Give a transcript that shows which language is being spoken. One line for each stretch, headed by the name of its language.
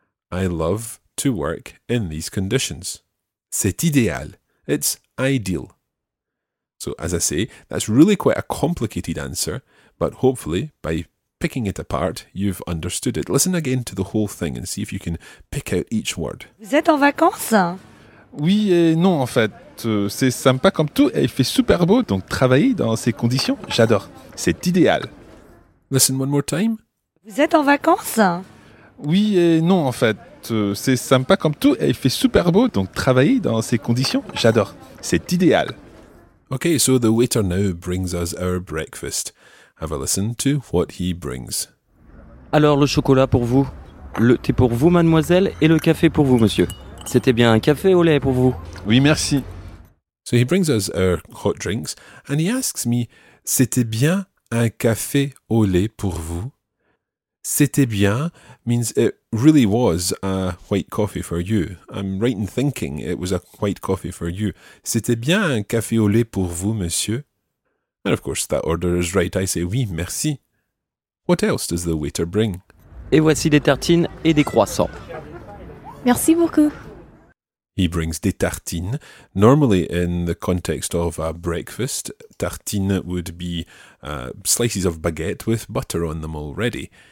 English: I love to work in these conditions.
French: C'est idéal.
English: It's ideal. So, as I say, that's really quite a complicated answer, but hopefully, by picking it apart, you've understood it. Listen again to the whole thing and see if you can pick out each word.
French: Vous êtes en vacances? Oui et non, en fait. C'est sympa comme tout et il fait super beau, donc travailler dans ces conditions, j'adore. C'est idéal.
English: Listen one more time.
French: Vous êtes en vacances? Oui et non, en fait. C'est sympa comme tout et il fait super beau, donc travailler dans ces conditions, j'adore. C'est idéal.
English: Okay, so the waiter now brings us our breakfast. Have a listen to what he brings.
French: Alors, le chocolat pour vous. Le thé pour vous, mademoiselle, et le café pour vous, monsieur. C'était bien un café au lait pour vous. Oui, merci.
English: So he brings us our hot drinks, and he asks me,
French: c'était bien un café au lait pour vous? C'était bien
English: means it really was a white coffee for you. I'm right in thinking it was a white coffee for you.
French: C'était bien un café au lait pour vous, monsieur.
English: And of course, that order is right. I say
French: oui, merci.
English: What else does the waiter bring?
French: Et voici des tartines et des croissants. Merci beaucoup.
English: He brings
French: des tartines.
English: Normally, in the context of a breakfast, tartine would be slices of baguette with butter on them already.